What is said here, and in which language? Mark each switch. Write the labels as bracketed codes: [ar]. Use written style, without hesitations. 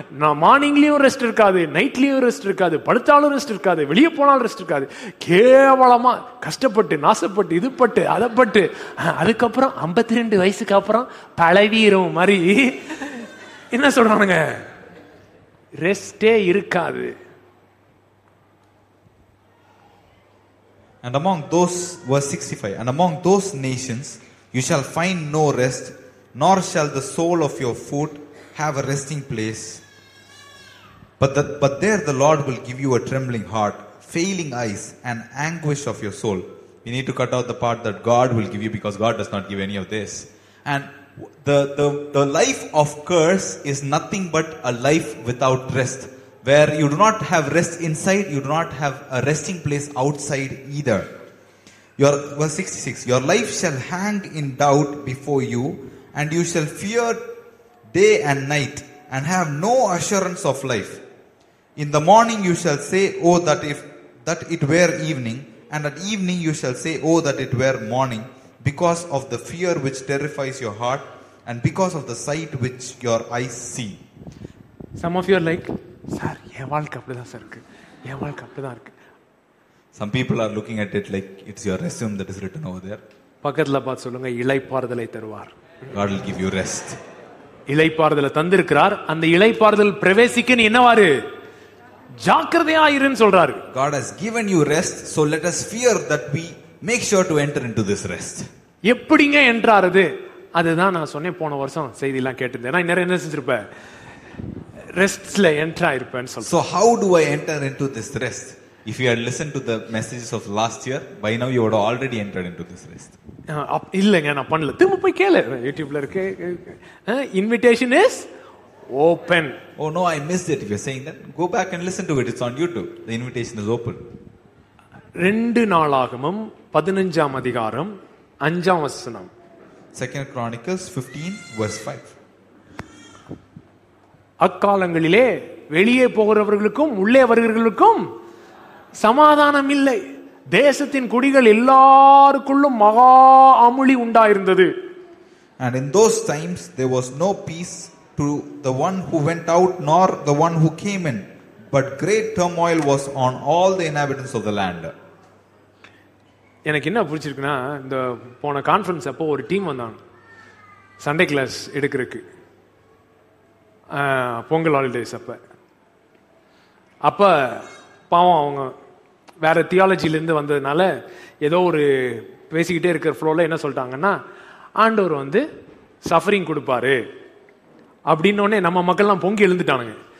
[ta] நான் மார்னிங்லயும் ரெஸ்ட் இருக்காது, நைட்லயும் ரெஸ்ட் இருக்காது, படுத்தாலும் ரெஸ்ட் இருக்காது, வெளியே போனாலும் ரெஸ்ட் இருக்காது. கேவலமா கஷ்டப்பட்டு நாசப்பட்டு இதுப்பட்டு அதப்பட்டு அதுக்கப்புறம் 52 வயசுக்கு அப்புறம் பழவீரம் மாதிரி என்ன சொல்றானுங்க, ரெஸ்டே இருக்காது. [en] And among those, verse 65, and among those nations, you shall find no rest, nor shall the sole of your foot have a resting place. But there the Lord will give you a trembling heart, failing eyes, and anguish of your soul. We need to cut out the part that God will give you, because God does not give any of this. And the life of curse is nothing but a life without rest. Where you do not have rest inside, you do not have a resting place outside either. Verse 66, your life shall hang in doubt before you, and you shall fear day and night, and have no assurance of life. In the morning you shall say, oh, that it were evening, and at evening you shall say, oh, that it were morning, because of the fear which terrifies your heart, and because of the sight which your eyes see. Some of you are like, [ta] sir என் வாழ்க்கை அப்படிதான் sir இருக்கு, என் வாழ்க்கை அப்படிதான் இருக்கு. [en] Some people are looking at it like it's your resume that is written over there. [ta] பக்கத்துல பார்த்து சொல்லுங்க, இளைப்பாறுதலை தருவார். [en] God will give you rest. [ta] இளைப்பாறுதலை தந்திருக்கிறார். அந்த இளைப்பாறுதல் பிரவேசிக்க நீ என்னவாரு, ஜாக்கிரதையா இருன்னு சொல்றாரு. [en] God has given you rest, so let us fear that we make sure to enter into this rest. [ta] எப்படிங்க என்றார் அது? அதுதான் நான் சொன்னேன் போன வருஷம் செய்தி எல்லாம் கேட்டிருந்தேன். நான் என்ன செஞ்சிருப்பேன், ரெஸ்ட்ல என்டர் ஆயிருப்பேன் சொல்றேன். [en] So how do I enter into this rest? If you had listened to the messages of last year, by now you would have already entered into this rest. [ta] இல்லங்க நான் பண்ணல, திரும்ப போய் கேளு, யூடியூப்ல இருக்கு. [en] Invitation is open. Oh no, I missed it. If you're saying that, go back and listen to it. It's on YouTube. The invitation is open. [ta] ரெண்டு நாளாகமும் 15 அதிகாரம் 5 வசனம். [en] 2 Chronicles 15 verse 5. [ta] அக்காலங்களிலே வெளியே போகிறவர்களுக்கும் உள்ளே வருகிறவர்களுக்கும் சமாதானம் இல்லை. தேசத்தின் குடிகள் எல்லாருக்குள்ளும் மகா அமளி உண்டாயிருந்தது. [en] And in those times there was no peace to the one who went out nor the one who came in, but great turmoil was on all the inhabitants of the land. [ta] எனக்கு என்ன பிடிச்சிருக்குன்னா, இந்த போன conference அப்போ ஒரு team வந்தாங்க Sunday class எடுக்கிறதுக்கு, Pongal holidays அப்போ பாவம் அவங்க வேற தியாலஜிலேருந்து வந்ததுனால ஏதோ ஒரு பேசிக்கிட்டே இருக்கிற ஃப்ளோவில் என்ன சொல்லிட்டாங்கன்னா, ஆண்டவர் வந்து சஃபரிங் கொடுப்பாரு அப்படின்னோடனே நம்ம மக்கள்லாம் பொங்கி எழுந்துட்டானுங்க.